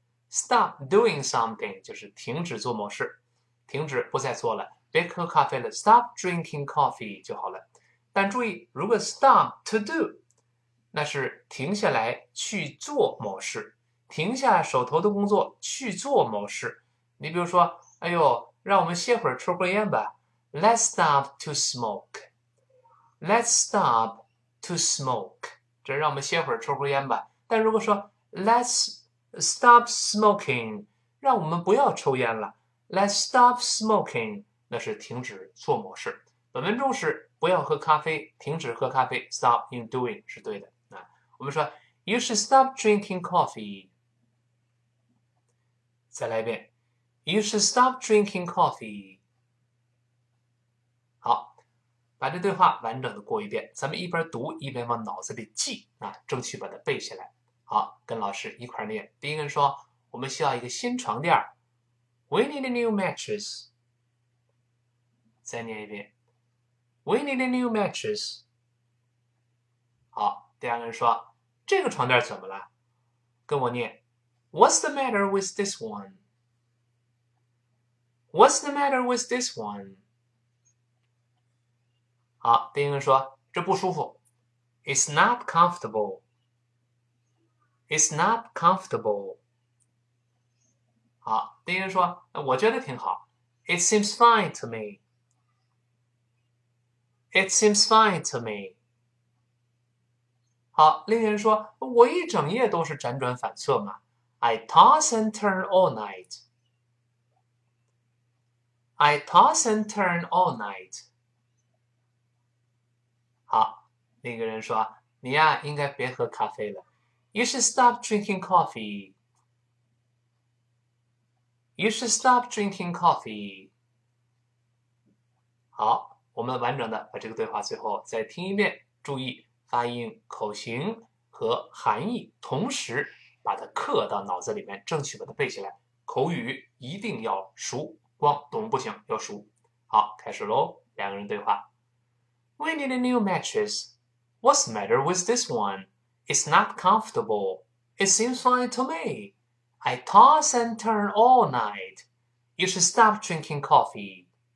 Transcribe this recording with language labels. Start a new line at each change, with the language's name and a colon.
English: Stop doing something
Chinese: 就是停止做某事，停止不再做了，别喝咖啡了，
English: stop drinking coffee
Chinese: 就好了。但注意，如果
English: stop to do。
Chinese: 那是停下来去做某事，停下手头的工作去做某事。你比如说，哎呦，让我们歇会儿抽根烟吧。
English: Let's stop to smoke. Let's stop to smoke.
Chinese: 这让我们歇会儿抽根烟吧。但如果说
English: Let's stop smoking，
Chinese: 让我们不要抽烟了。
English: Let's stop smoking，
Chinese: 那是停止做某事。本文中是不要喝咖啡，停止喝咖啡，
English: stop in doing
Chinese: 是对的。我们说，
English: You should stop drinking coffee。
Chinese: 再来一遍，
English: You should stop drinking coffee。
Chinese: 好，把这对话完整的过一遍，咱们一边读一边往脑子里记啊，争取把它背下来。好，跟老师一块念。第一个人说，我们需要一个新床垫，
English: We need a new mattress。
Chinese: 再念一遍，
English: We need a new mattress。
Chinese: 好，第二个人说。这个床垫怎么了？跟我念，
English: What's the matter with this one？What's the matter with this one？
Chinese: 好，丁丁说这不舒服，
English: It's not comfortable。 It's not comfortable。
Chinese: 好，丁丁说我觉得挺好，
English: It seems fine to me。 It seems fine to me。
Chinese: 好，另一人说：“我一整夜都是辗转反侧嘛。
English: ”I toss and turn all night. I toss and turn all night.
Chinese: 好，另一个人说：“你呀，应该别喝咖啡了。
English: You should stop drinking coffee. You should stop drinking coffee.
Chinese: ”好，我们完整的把这个对话最后再听一遍，注意。发音、口型和含义同时把它刻到脑子里面，争取把它背下来。口语一定要熟，光懂不行，要熟。好，开始喽，两个人对话。
English: We need a new mattress. What's the matter with this one? It's not comfortable. It seems fine to me. I toss and turn all night. You should stop drinking coffee.